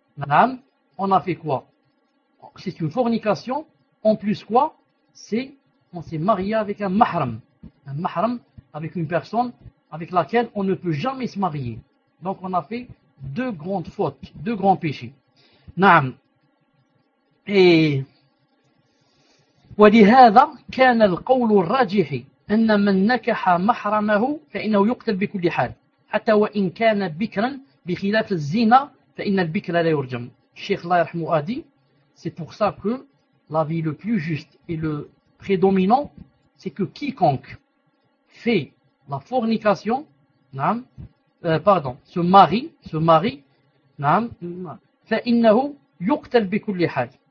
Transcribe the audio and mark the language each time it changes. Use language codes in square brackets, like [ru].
[fr] Naam, on a fait quoi? C'est une fornication, en plus quoi? C'est, on s'est marié avec un mahram. Un mahram avec une personne avec laquelle on ne peut jamais se marier. Donc on a fait deux grandes fautes, deux grands péchés. Naam. [ar] Et ولهذا كان القول الراجح أن من نكح محرمه فإنه يقتل بكل حال حتى وإن كان بكرا بخلاف الزنا فإن البكر لا يرجم. الشيخ الله يرحمه [fr] a dit, c'est pour ça que l'avis le plus juste et le prédominant, c'est que quiconque fait la fornication, نعم, pardon, se marie, نعم, [ar] فإنه يقتل بكل حال.